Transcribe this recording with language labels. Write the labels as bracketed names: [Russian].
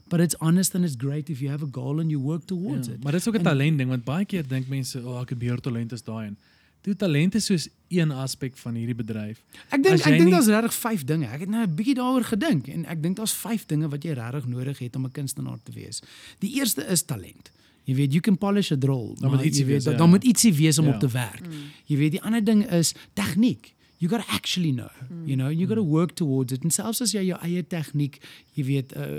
[English] But it's honest and it's great if you have a goal and you work towards it. [Afrikaans] Maar dit is ook 'n talent ding, want baie keer dink mense, oh, ek het meer talent as daai een. Toe talent is soos een aspek van hierdie bedryf. Ek dink daar's regtig 5 dinge. Ek het nou 'n bietjie daaroor gedink en ek dink daar's 5 dinge wat jy regtig nodig het om 'n kunstenaar te wees. [English] Die eerste is talent. [Afrikaans] Jy weet, [English] you can polish a drill. [Afrikaans] Dan moet ietsie wees om op te werk. Jy weet, die ander ding is tegniek. [English] You got to actually know, you know, you got to work towards it. [Afrikaans] En selfs as jy jou eie tegniek, jy weet,